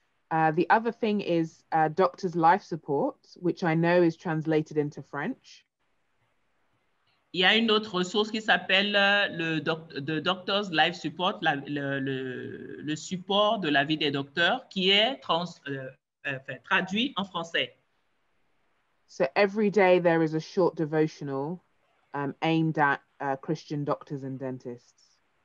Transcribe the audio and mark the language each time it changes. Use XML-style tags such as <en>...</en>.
<en>The other thing is doctor's life support, which I know is translated into French.</en> <fr>Il y a une autre ressource qui s'appelle le doctor's life support, le support de la vie des docteurs, qui est traduit en français.</fr> <en>So every day there is a short devotional aimed at Christian doctors and dentists.</en>